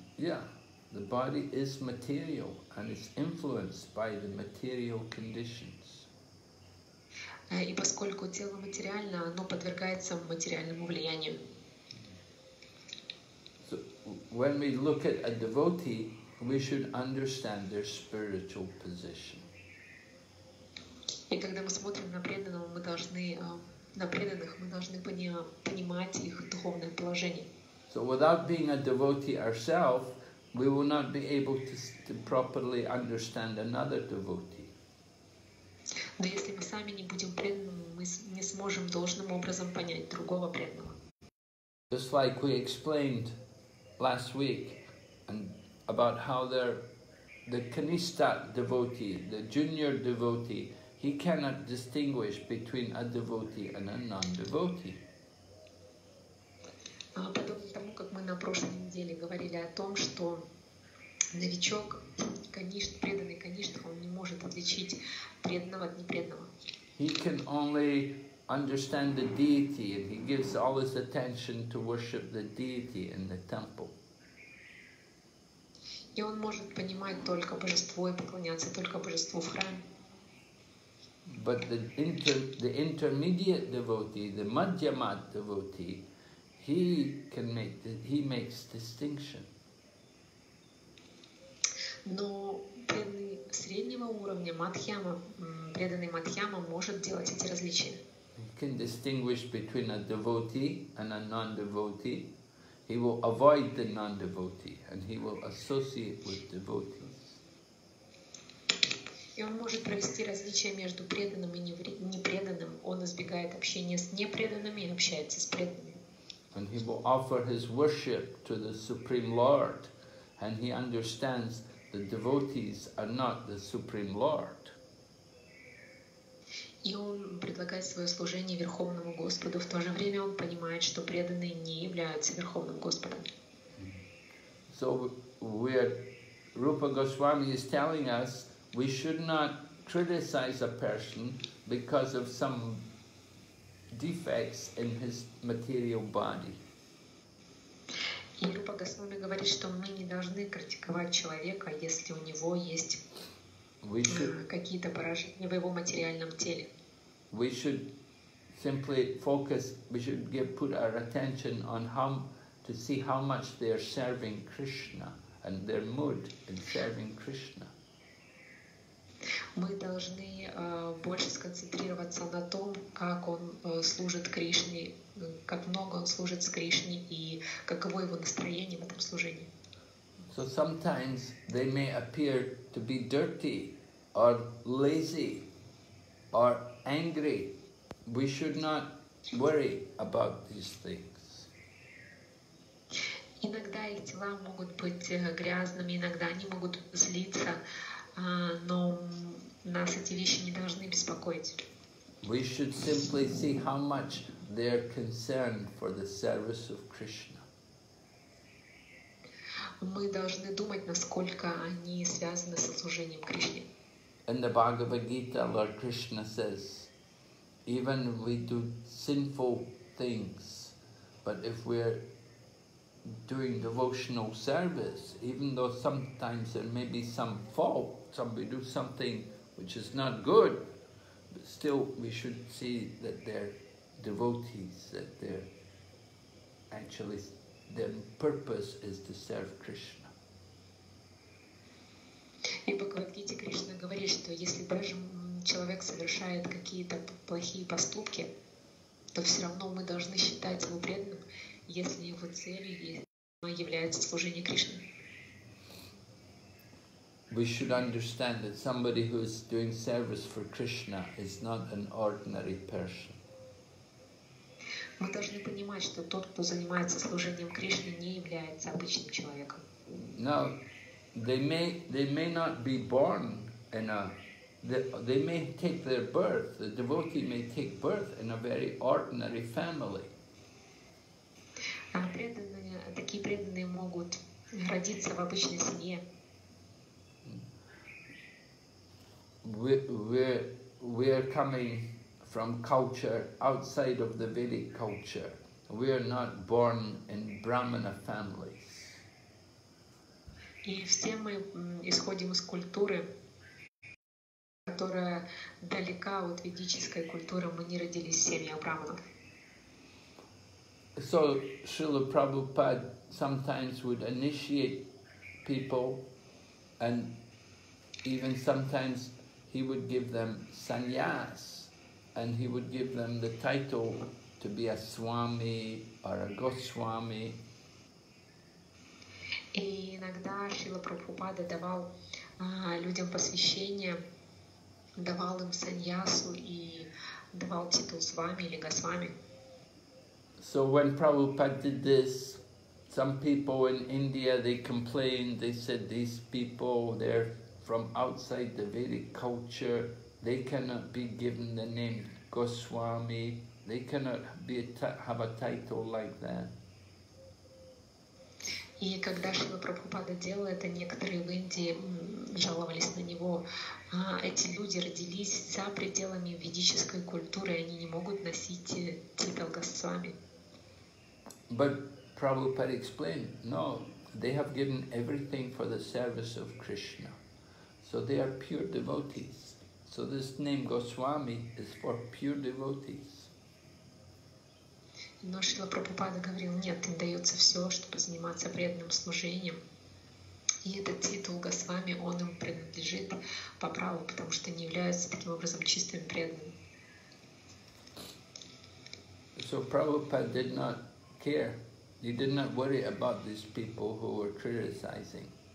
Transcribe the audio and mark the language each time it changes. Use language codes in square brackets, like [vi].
[en] Yeah, the body is material and it's influenced by the material conditions. [ru] И поскольку тело материально, оно подвергается материальному влиянию. [en] So when we look at a devotee, we should understand their spiritual position. [ru] И когда мы смотрим на преданного, мы должны на преданных мы должны понимать их духовное положение. [en] So without being a devotee ourselves, we will not be able to properly understand another devotee. [ru] Но если мы сами не будем преданными, мы не сможем должным образом понять другого преданного. [en] Just like we explained last week and about how the kanista devotee, the junior devotee, he cannot distinguish between a devotee and a non-devotee. [ru] Подобно тому, как мы на прошлой неделе говорили о том, что новичок, коништ, преданный коништ, он не может отличить преданного от непреданного. [en] He can only understand the deity, and he gives all his attention to worship the deity in the temple. [ru] И он может понимать только божество и поклоняться только божеству в храме. [en] But the intermediate devotee, the Madhyama devotee, he makes distinction. [ru] Но преданный среднего уровня Мадхьяма, преданный Мадхьяма может делать эти различия. [en] He can distinguish between a devotee and a non-devotee. He will avoid the non-devotee and he will associate with devotees. [ru] И он может провести различия между преданным и непреданным. Он избегает общения с непреданными и общается с преданными. [en] And he will offer his worship to the Supreme Lord, and he understands the devotees are not the Supreme Lord. [ru] И он предлагает свое служение Верховному Господу. В то же время он понимает, что преданные не являются Верховным Господом. [en] So Rupa Goswami is telling us we should not criticize a person because of some defects in his material body. [ru] И Рупа Госвами говорит, что мы не должны критиковать человека, если у него есть какие-то поражения в его материальном теле. [en] We should simply focus, we should put our attention on how to see how much they are serving Krishna and their mood in serving Krishna. [ru] Мы должны больше сконцентрироваться на том, как он служит Кришне, как много он служит с Кришне и каково его настроение в этом служении. [en] So sometimes they may appear to be dirty or lazy or angry. We should not worry about these things. [ru] Иногда их тела могут быть грязными, иногда они могут злиться. Но нас эти вещи не должны беспокоить. [en] We should simply see how much they are concerned for the service of Krishna. [ru] Мы должны думать, насколько они связаны со служением Кришне. [en] In the Bhagavad Gita, Lord Krishna says, even if we do sinful things, but if we are doing devotional service, even though sometimes there may be some fault, somebody do something which is not good, but still we should see that they're devotees, that they're actually, their purpose is to serve Krishna. [ru] И Бхагавад-гите Кришна говорит, что если даже человек совершает какие-то плохие поступки, то все равно мы должны считать его преданным, если его целью является служение Кришне. [en] We should understand that somebody who is doing service for Krishna is not an ordinary person. [ru] Мы должны понимать, что тот, кто занимается служением Кришне, не является обычным человеком. [en] No, they may not be born in a they may take their birth. The devotee may take birth in a very ordinary family. [ru] А такие преданные могут родиться в обычной семье. [en] We are coming from culture outside of the Vedic culture. We are not born in Brahmana families. [ru] И все мы исходим из культуры, которая далека от ведической культуры. Мы не родились в семье брахманов. [en] So Srila Prabhupada sometimes would initiate people, and even sometimes he would give them sannyas, and he would give them the title to be a swami or a goswami. [ru] И иногда Шрила Прабхупада давал людям посвящение, давал им саньясу и давал титул свами или госвами. [en] So when Prabhupada did this, some people in India, they complained, they said, these people, they're from outside the Vedic culture, they cannot be given the name Goswami, they cannot be have a title like that. [ru] И когда Шрила Прабхупада делал это, некоторые в Индии жаловались на него. Эти люди родились за пределами ведической культуры, они не могут носить титул Госвами. [en] But Prabhupada explained, no, they have given everything for the service of Krishna. So they are pure devotees. So this name Goswami is for pure devotees. [ru] Но Шрила Прабхупада говорил, нет, им дается все, чтобы заниматься преданным служением. И этот титул Госвами, он им принадлежит по праву, потому что они являются таким образом чистым преданным. [en] So Prabhupada did not care. He did not worry about these people who were criticizing.